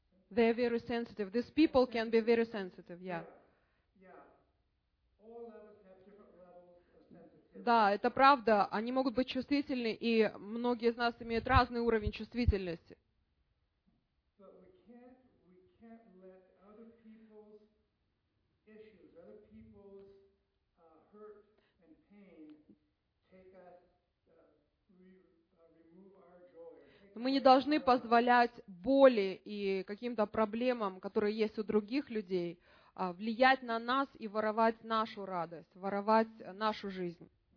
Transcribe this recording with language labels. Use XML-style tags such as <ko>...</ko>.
<en>They are very sensitive. These people can be very sensitive, yeah.</en> <ru>Да, это правда. Они могут быть чувствительны, и многие из нас имеют разный уровень чувствительности.</ru> <en>But we can't let other people's issues, other people's hurt and pain take us</en> <ru>мы не должны позволять боли и каким-то проблемам, которые есть у других людей, влиять на нас и воровать нашу радость, воровать нашу жизнь.</ru>